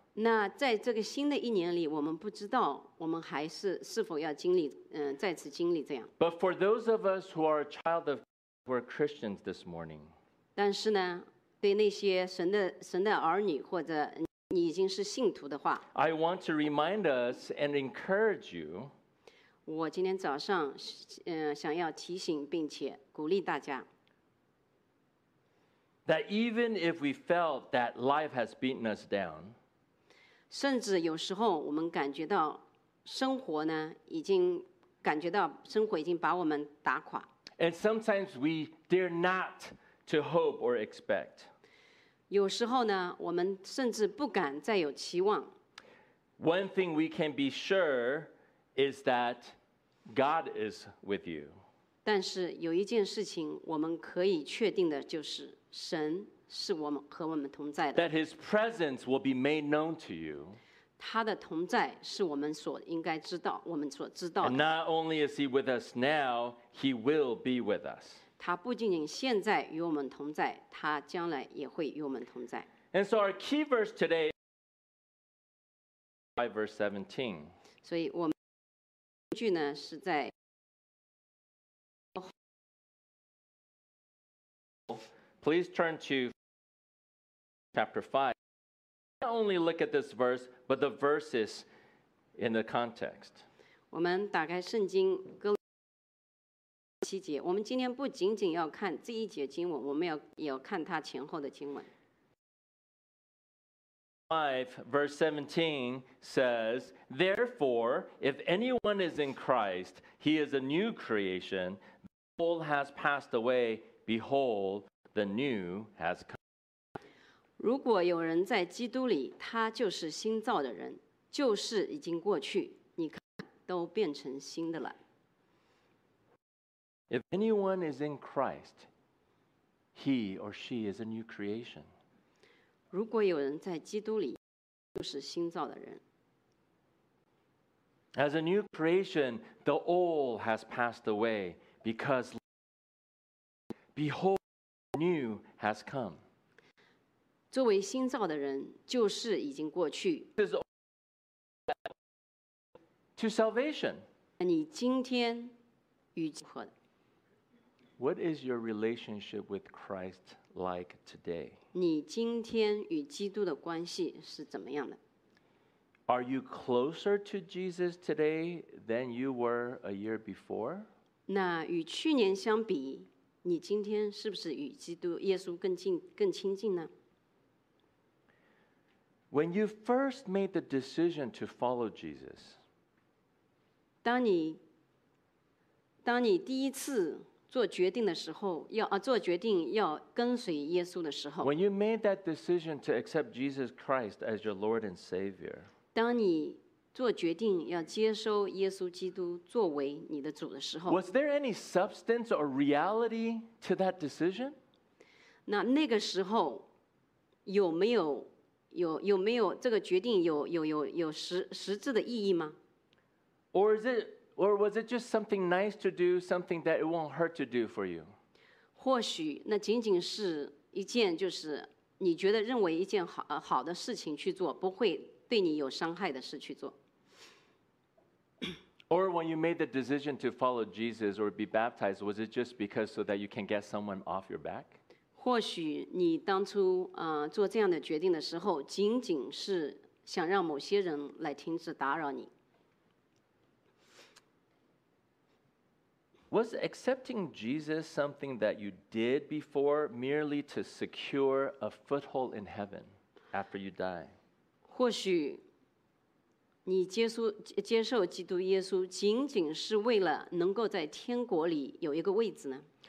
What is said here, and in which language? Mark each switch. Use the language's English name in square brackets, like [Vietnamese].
[Chinese] 那在这个新的一年里我们不知道我们还是否要经历再次经历这样 [English] but for those of us who are a child of God who are Christians this morning [Chinese] 但是呢对那些神的儿女或者你已经是信徒的话 [English] I want to remind us and encourage you [Chinese] 我今天早上想要提醒并且鼓励大家 [English] that even if we felt that life has beaten us down [Chinese] 甚至有时候我们感觉到生活呢已经感觉到生活已经把我们打垮 [English] and sometimes we dare notto hope or expect. [Chinese] 有时候呢，我们甚至不敢再有期望。 [English] One thing we can be sure is that God is with you. [Chinese] 但是有一件事情我们可以确定的就是神是我们和我们同在的。 [English] That his presence will be made known to you. [Chinese] 他的同在是我们所应该知道，我们所知道的。 [English] And not only is he with us now, he will be with us. [Chinese] 他不仅仅现在与我们同在，他将来也会与我们同在。 [English] And so our key verse today, 5:17. [Chinese] 所以我们根据呢是在 [English] ，Please turn to chapter 5. Not only look at this verse, but the verses in the context. [Chinese] 我们打开圣经歌。我们今天不仅仅要看这一节经文，我们要看它前后的经文。 [English] 5:17 says, "Therefore, if anyone is in Christ, he is a new creation. The old has passed away. Behold, the new has come." [Chinese] 如果有人在基督里，他就是新造的人，旧事已经过去，你看，都变成新的了。 [English] If anyone is in Christ, he or she is a new creation. [Chinese] 如果有人在基督里，就是新造的人。 [English] As a new creation, the old has passed away because behold, new has come. [Chinese] 作为新造的人，旧事已经过去。 [English] To salvation. [Chinese] 你今天与基督的。 [English] What is your relationship with Christ like today? [Chinese] 你今天与基督的关系是怎么样的？ [English] Are you closer to Jesus today than you were a year before? [Chinese] 那与去年相比，你今天是不是与基督耶稣更亲近呢？ [English] When you first made the decision to follow Jesus, [Chinese] 当你第一次做决定的时候，做决定要跟随耶稣的时候， [English] When you made that decision to accept Jesus Christ as your Lord and Savior, [Chinese] 当你做决定要接受耶稣基督作为你的主的时候， [English] Was there any substance or reality to that decision? [Chinese] 那个时候有没有这个决定有 实质的意义吗？ [English] Or was it just something nice to do, something that it won't hurt to do for you? [Chinese] 或许那仅仅是一件就是你觉得认为一件 好的事情去做，不会对你有伤害的事去做。 [English] Or when you made the decision to follow Jesus or be baptized, was it just because so that you can get someone off your back? [Chinese] 或许你当初做这样的决定的时候，仅仅是想让某些人来停止打扰你。 [English] Was accepting Jesus something that you did before merely to secure a foothold in heaven after you die? [Chinese] 或许你接受基督耶稣仅仅是为了能够在天国里有一个位置呢？